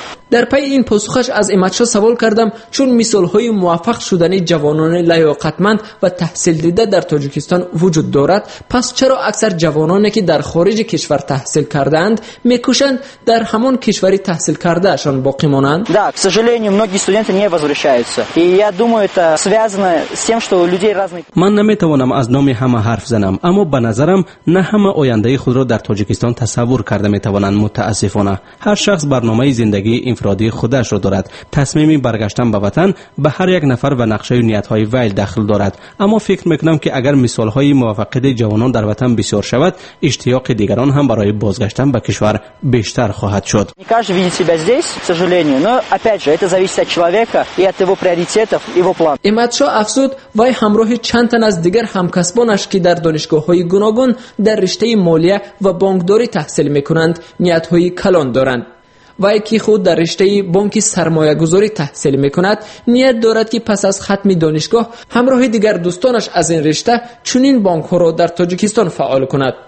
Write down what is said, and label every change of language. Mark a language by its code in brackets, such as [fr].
[fa] در پی این پاسخش از امتشا سوال کردم، چون مثال های موفق شدن جوانان لیاقتمند و تحصیل دیده در تاجیکستان وجود دارد، پس چرا اکثر جوانانی که در خارج کشور تحصیل کرده اند میکوشند در همان کشوری تحصیل کرده اشان باقی مانند؟ [ru] да, к сожалению, многие студенты не возвращаются. И я думаю, это связано с тем, что у людей разные. [fa] من نمیتوانم از نام همه حرف زنم، اما به نظرم نه همه آینده خود را در تاجیکستان تصور کرده میتوانند. متاسفانه هر شخص برنامه زندگی انفرادی خودش را دارد. تصمیم برگشتن به وطن به هر یک نفر و نقشه نیت های ویل دخل دارد. اما فکر میکنم که اگر مثال های موفقیت جوانان در وطن بسیار شود، اشتیاق دیگران هم برای بازگشتن به کشور بیشتر خواهد شد. [ru] каждый видит себя здесь, к сожалению, но опять же, это зависит от человека и от его приоритетов, его планов. [fa] Имадшо افزود وای همراه چند تن از دیگر همکسبانش که در دانشگاه های گوناگون در رشته مالیه و بانکداری تحصیل میکنند، نیت های کلان دارند. وای که خود در رشته بانک سرمایه گذاری تحصیل میکند، نیت دارد که پس از ختم دانشگاه همراه دیگر دوستانش از این رشته چنین بانک ها را در تاجیکستان فعال کند.